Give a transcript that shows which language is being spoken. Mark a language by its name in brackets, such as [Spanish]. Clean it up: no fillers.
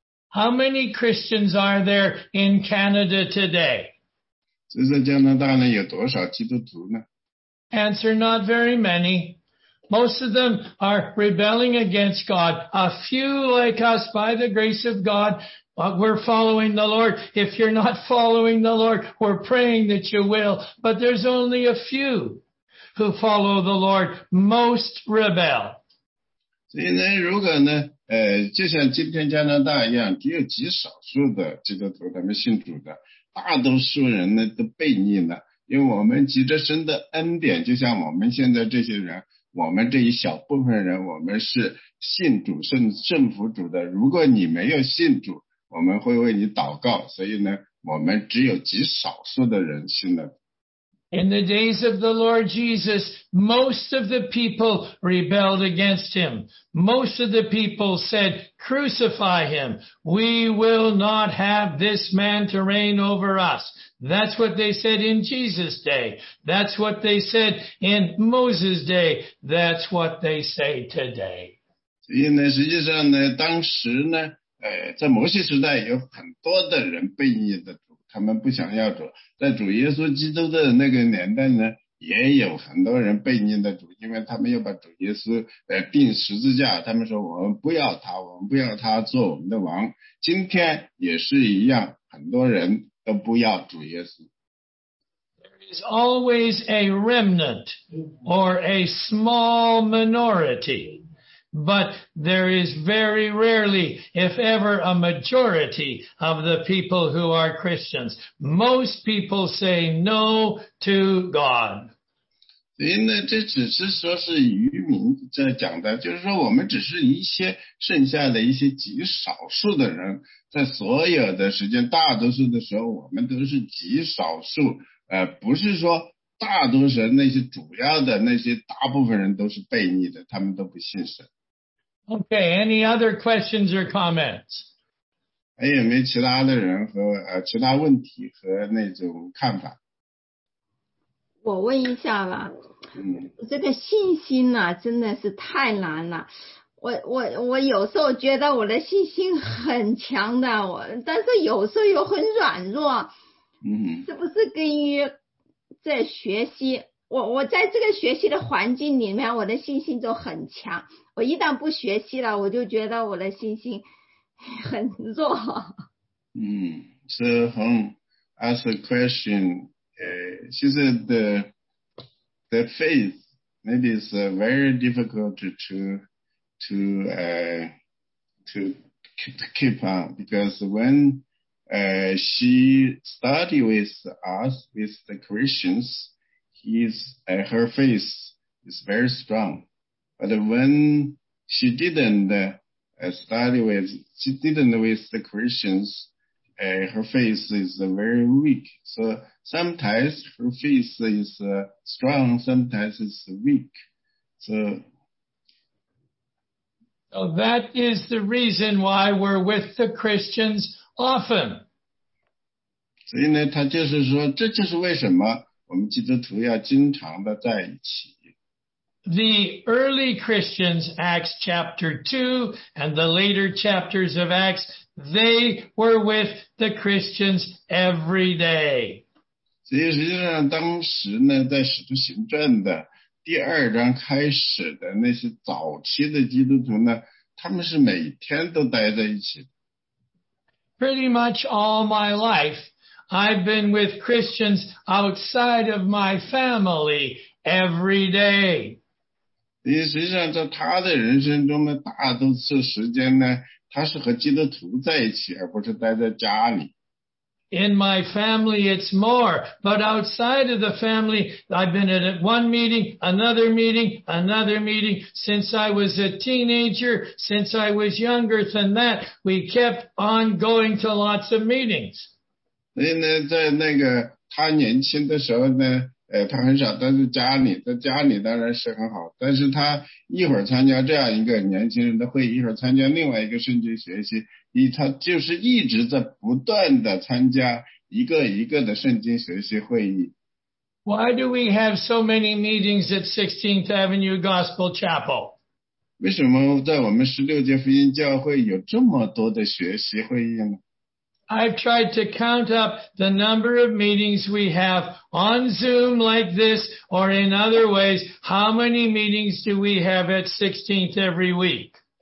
[English] How many Christians are there in Canada today? [Chinese] 这在加拿大呢有多少基督徒呢？ [English] Answer, not very many. Most of them are rebelling against God. A few like us, by the grace of God, but we're following the Lord. If you're not following the Lord, we're praying that you will. But there's only a few who follow the Lord. Most rebel. [Chinese] 所以呢，如果呢，就像今天加拿大一样，只有极少数的基督徒，他们信主的，大多数人呢都悖逆了，因为我们藉着神的恩典，就像我们现在这些人。我们这一小部分人，我们是信主圣服主的。如果你没有信主，我们会为你祷告。所以呢，我们只有极少数的人信了。 [English] In the days of the Lord Jesus, most of the people rebelled against him. Most of the people said, "Crucify him. We will not have this man to reign over us." That's what they said in Jesus' day. That's what they said in Moses' day. That's what they say today. [Chinese] 所以呢，实际上呢，当时呢，在摩西时代有很多的人悖逆的。他们不想要主，在主耶稣基督的那个年代呢，也有很多人悖逆的主，因为他们要把主耶稣钉十字架，他们说我们不要他，我们不要他做我们的王。今天也是一样，很多人都不要主耶稣。 [English] There is always a remnant or a small minority, but there is very rarely, if ever, a majority of the people who are Christians. Most people say no to God. [Chinese] 所以呢，这只是说是愚民在讲的，就是说我们只是一些剩下的一些极少数的人，在所有的时间，大多数的时候，我们都是极少数，不是说大多数那些主要的那些大部分人都是悖逆的，他们都不信神。 [English] Okay, any other questions or comments? [Chinese] 还有没有其他的人和其他问题和那种看法？我问一下吧，这个信心呢、啊、真的是太难了。我有时候觉得我的信心很强的，我但是有时候又很软弱。嗯，是不是根于在学习？我在这个学习的环境里面，我的信心就很强。我一旦不学习了，我就觉得我的信心很弱。嗯，是很 [English] ask a question。 She said the faith maybe is very difficult to keep on, because when she studied with us, with the Christians, her faith is very strong. But when she didn't study with the Christians, her faith is very weak. So sometimes her faith is strong, sometimes it's weak. So that is the reason why we're with the Christians often. [Chinese] 所以呢，他就是说，这就是为什么我们基督徒要经常的在一起。 [English] The early Christians, Acts chapter 2, and the later chapters of Acts, they were with the Christians every day. [Chinese] 所以实际上当时呢，在使徒行传的第二章开始的那些早期的基督徒呢，他们是每天都待在一起。 [English] Pretty much all my life, I've been with Christians outside of my family every day. [Chinese] 因为实际上在他的人生中的大多数时间呢，他是和基督徒在一起，而不是待在家里。 [English] In my family, it's more, but outside of the family, I've been at one meeting, another meeting, another meeting since I was a teenager, since I was younger than that. We kept on going to lots of meetings. [Chinese] 所以呢，在那个他年轻的时候呢。他很少待在家里，在家里当然是很好，但是他一会儿参加这样一个年轻人的会议，一会儿参加另外一个圣经学习，他就是一直在不断的参加一个一个的圣经学习会议。 [English] Why do we have so many meetings at 16th Avenue Gospel Chapel? [Chinese] 为什么在我们16街福音教会有这么多的学习会议呢？ [English] I've tried to count up the number of meetings we have on Zoom like this or in other ways. How many meetings do we have at 16th every week?